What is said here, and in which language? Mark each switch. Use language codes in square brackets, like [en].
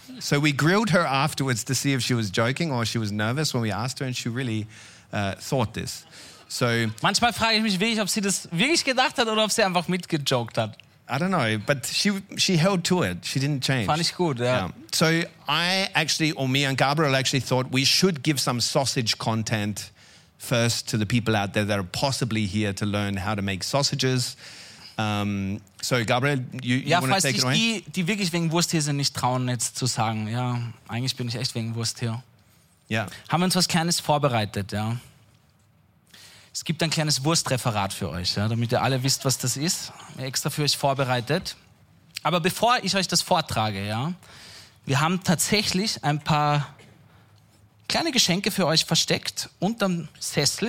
[en] So we grilled her afterwards to see if she was joking or she was nervous when we asked her, and she really thought this. So [de] manchmal frage ich mich wirklich, ob sie das wirklich gedacht hat oder ob sie einfach mitgejoked hat. [en] I don't know, but she held to it. She didn't change. [de] Fand ich gut, ja. Yeah. [en] So I actually, or me and Gabriel actually thought we should give some sausage content first to the people out there that are possibly here to learn how to make sausages. So Gabriel, you want to take it away? [de] Ja, falls sich die wirklich wegen Wurst hier sind, nicht trauen jetzt zu sagen, ja, eigentlich bin ich echt wegen Wurst hier. Ja. Haben wir uns was Kleines vorbereitet, ja. Es gibt ein kleines Wurstreferat für euch, ja, damit ihr alle wisst, was das ist. Extra für euch vorbereitet. Aber bevor ich euch das vortrage, ja, wir haben tatsächlich ein paar kleine Geschenke für euch versteckt unterm Sessel.